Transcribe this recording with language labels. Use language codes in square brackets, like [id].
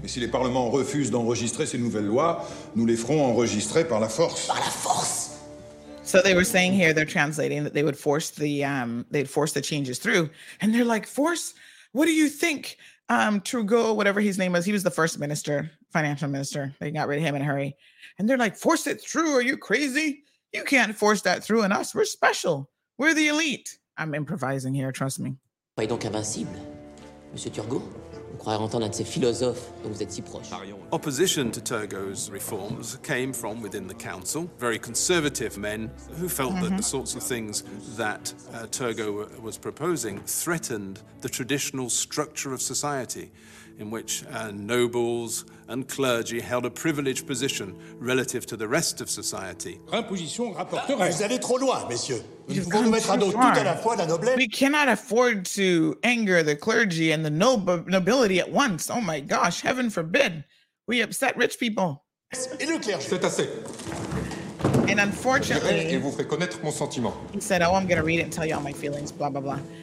[fr] Mais si les parlements refusent d'enregistrer ces nouvelles lois, nous les ferons enregistrer par la force. Par la force. [en] So they were saying here, they're translating that they would force the they'd force the changes through, and they're like, force? What do you think? Trudeau, whatever his name was, he was the first minister, financial minister. They got rid of him in a hurry. And they're like, force it through. Are you crazy? You can't force that through on us. We're special. We're the elite. I'm improvising here, trust me. [fr] Soyez donc invincible, Monsieur Turgot. On croirait entendre un de ces philosophes dont vous êtes si proche. [en] Opposition to Turgot's reforms came from within the council, very conservative men who felt that the sorts of things that Turgot was proposing threatened the traditional structure of society, in which nobles and clergy held a privileged position relative to the rest of society. [fr] Imposition rapporteur. Vous allez trop loin, messieurs. Vous pouvez mettre à dos tout à la fois la noblesse. [en] We cannot afford to anger the clergy and the nobility at once. Oh my gosh, heaven forbid. We upset rich people. [fr] Et le clergé. C'est assez. [en] And unfortunately, [fr] je vous ferai connaître mon sentiment. [en] He said, oh, I'm going to read it and tell you all my feelings, blah, blah, blah.